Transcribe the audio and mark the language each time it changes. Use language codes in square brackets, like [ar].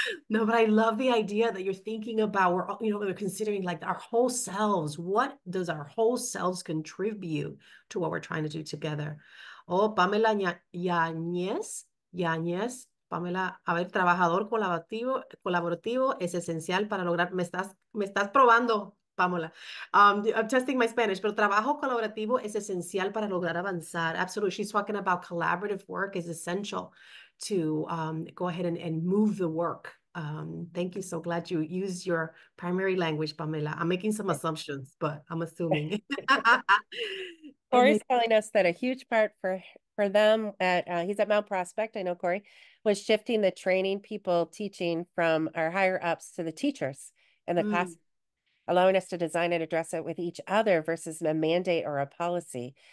[en] No, but I love the idea that you're thinking about, we're, you know, we're considering like our whole selves. What does our whole selves contribute to what we're trying to do together? Oh, Pamela Yáñez. [es] Yáñez, Pamela, a ver, trabajador colaborativo es esencial para lograr. Me estás probando, Pamela. [en] I'm testing my Spanish, [es] pero trabajo colaborativo es esencial para lograr avanzar. [en] Absolutely. She's talking about collaborative work is essential to go ahead and move the work. Thank you. So glad you use your primary language, Pamela. I'm making some assumptions, but I'm assuming. And Corey's then telling us that a huge part for them at he's at Mount Prospect, I know Corey, was shifting the training people teaching from our higher ups to the teachers in the class, allowing us to design and address it with each other versus a mandate or a policy.